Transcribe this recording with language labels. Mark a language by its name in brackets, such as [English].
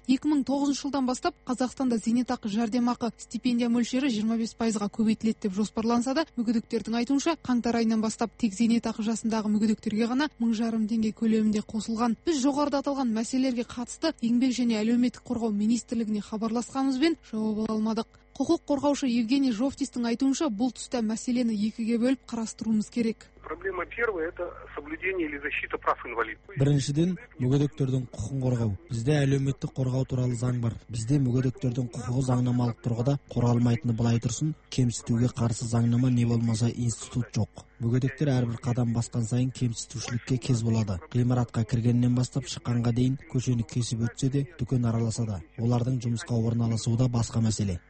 [Kazakh] 2009 жылдан бастап Қазақстанда зейнетақы жәрдемақы стипендия мөлшері 25%-ға көбейтіледі деп жоспарланса да, мүгедектердің айтуынша қаңтар айынан бастап тек зейнетақы жасындағы мүгедектерге ғана 1,5 теңге көлемінде қосылған. Біз жоғарыда аталған мәселелерге қатысты Еңбек және әлеуметтік қорғау министрлігіне хабарласқанымызбен жауап ала алмадық. Құқық қорғаушы Евгений Жовтистің айтуынша, бұл тұста мәселені екіге бөліп қарастыруымыз керек. [Russian] Проблема первая – это соблюдение или защита прав инвалидов. [Kazakh] Біріншіден, мүгедектердің құқын қорғау. Бізде әлеуметтік қорғау туралы заң бар. Бізде мүгедектердің құқығы заңнамалық тұрғыда қорғалмайтыны былай тұрсын, кемсітуге қарсы заңнама не болмаса институт жоқ. Мүгедектер әрбір қадам басқан сайын кемсітушілікке кез болады. Ғимаратқа кіргеннен бастап шыққанға дейін көшені кесіп өтсе де, дүкен араласа да, олардың жұмысқа орналасуы да басқа мәселе.